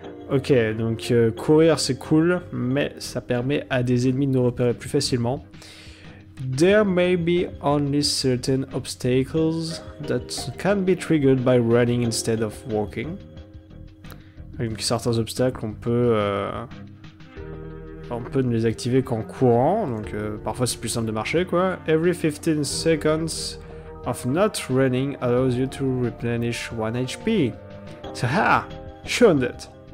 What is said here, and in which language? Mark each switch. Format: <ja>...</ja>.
<fr>Ok, donc courir c'est cool, mais ça permet à des ennemis de nous repérer plus facilement.</fr> <en>There may be only certain obstacles that can be triggered by running instead of walking.</en> <fr>Donc, certains obstacles, on peut ne les activer qu'en courant, donc parfois c'est plus simple de marcher quoi.</fr> <en>Every 15 seconds of not running allows you to replenish 1 HP. Ha! Shown that!</en>